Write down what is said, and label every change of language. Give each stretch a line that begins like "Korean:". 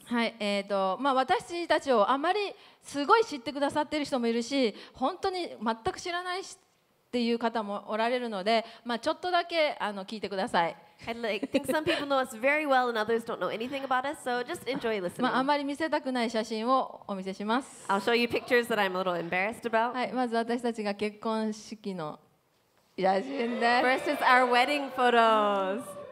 Japanese: はい、まあ、私たちをあまりすごい知ってくださっている人もいるし、本当に全く知らないしっていう方もおられるので、まあ、ちょっとだけ聞いてください。
English: I'd like to think some people know us very well and others don't know anything about us, so just enjoy listening.
Japanese: まあ、あまり見せたくない写真をお見せします。
English: I'll show you pictures that I'm a little embarrassed about.
Japanese: はい、まず私たちが結婚式の写真です
English: First is our wedding photos.